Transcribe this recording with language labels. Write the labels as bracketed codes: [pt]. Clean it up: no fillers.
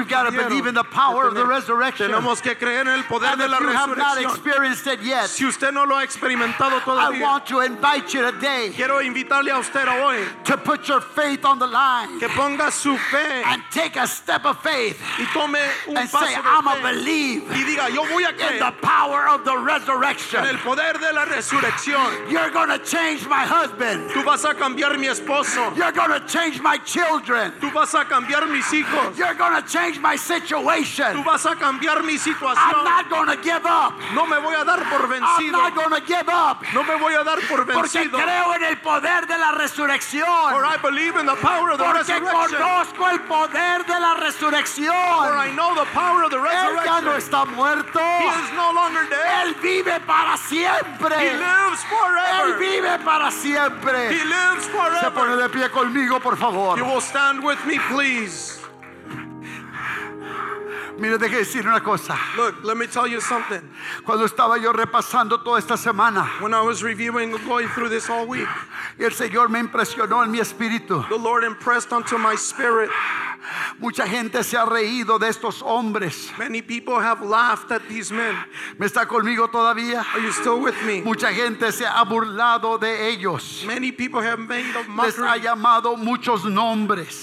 [en] We've got to believe in the power of the resurrection. [es] Tenemos que creer en el poder de la resurrección. [en] You have not experienced it yet. [es] Si usted no lo ha experimentado todavía. [en] I want to invite you today. [es] Quiero invitarle a usted hoy. [en] To put your faith on the line. [es] Que ponga su fe. [en] And take a step of faith. [es] Y tome un [en] and [es] paso [en] say, [es] de [en] fe. I'm a believer. [es] Y diga, yo voy a creer. [en] In the power of the resurrection. [es] En el poder de la resurrección. [en] You're going to change my husband. [es] Tú vas a cambiar mi esposo. [en] You're going to change my children. [es] Tú vas a cambiar mis hijos. [en] You're going to change my situation. [es] Tú vas a cambiar mi situación. [en] I'm not going to give up. [es] No me voy a dar por vencido. [en] I'm not going to give up. [es] No me voy a dar por vencido. Porque creo en el poder de la resurrección. [en] For I believe in the power of the [es] Porque [en] resurrection. [es] Porque conozco el poder de la resurrección. [en] For I know the power of the resurrection. [es] Él ya no está muerto. [en] He is no longer dead. [es] Él vive para siempre. [en] He lives forever. [es] Él vive para siempre. [en] He lives forever. [es] Se pone de pie conmigo, por favor. [en] You will stand with me, please. [es] Mire, deje decir una cosa. [en] Look, let me tell you something. [es] Cuando estaba yo repasando toda esta semana, [en] when I was reviewing and going through this all week, [es] el Señor me impresionó en mi espíritu. [en] The Lord impressed onto my spirit. [es] Mucha gente se ha reído de estos hombres. [en] Many people have laughed at these men. [es] ¿Me está conmigo todavía? [en] Are you still with me? [es] Mucha gente se ha burlado de ellos. [en] Many people have made a mockery. [es] Les ha llamado muchos nombres.